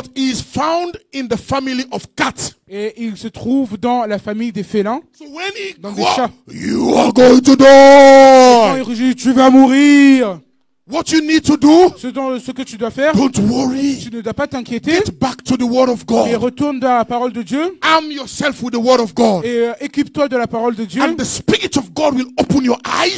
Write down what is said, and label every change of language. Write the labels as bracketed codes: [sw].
[en] But he is found in the family of cats. [fr] Et il se trouve dans la famille des félins. [en] So when he [fr] dans des chats. [en] You are going to die. [fr] Tu vas mourir. [en] What you need to do? [fr] Ce que tu dois faire. [en] Don't worry. [fr] Tu ne dois pas t'inquiéter. [en] Get back to the word of God. [fr] Et retourne dans la parole de Dieu. [en] Arm yourself with the word of God. [fr] Et équipe-toi de la parole de Dieu. [en] And the spirit of God will open your eyes.